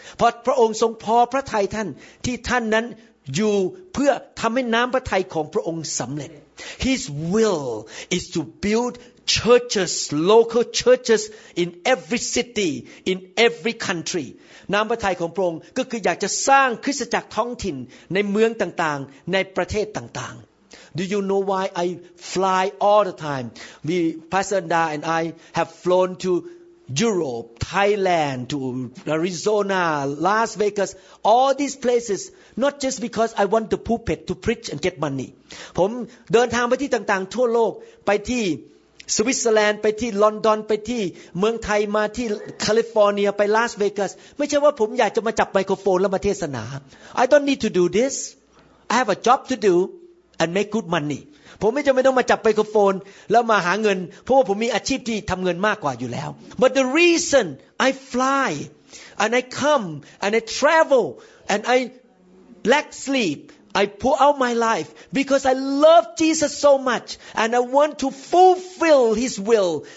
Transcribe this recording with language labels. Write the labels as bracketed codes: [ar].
[th] เพราะพระองค์ทรงพอพระทัยท่านที่ท่านนั้นอยู่เพื่อทำให้น้ำพระทัยของพระองค์สำเร็จ [en] His will is to build churches, local churches in every city, in every country. [th] น้ำพระทัยของพระองค์ก็คืออยากจะสร้างคริสตจักรท้องถิ่นในเมืองต่างๆในประเทศต่างๆ [en] Do you know why I fly all the time? We, Pastor Da and I have flown to Europe, Thailand, to Arizona, Las Vegas, all these places. Not just because I want the pulpit to preach and get money. [th] ผมเดินทางไปที่ต่างๆทั่วโลกไปที่สวิตเซอร์แลนด์ไปที่ลอนดอนไปที่เมืองไทยมาที่แคลิฟอร์เนียไปลาสเวกัสไม่ใช่ว่าผมอยากจะมาจับไมโครโฟนแล้วมาเทศนา [en] I don't need to do this I have a job to do and make good money [th] ผมไม่จำเป็นต้องมาจับไมโครโฟนแล้วมาหาเงินเพราะว่าผมมีอาชีพที่ทำเงินมากกว่าอยู่แล้ว [en] But the reason I fly and I come and I travel and I lack sleepI pour out my life because I love Jesus so much and I want to fulfill his will.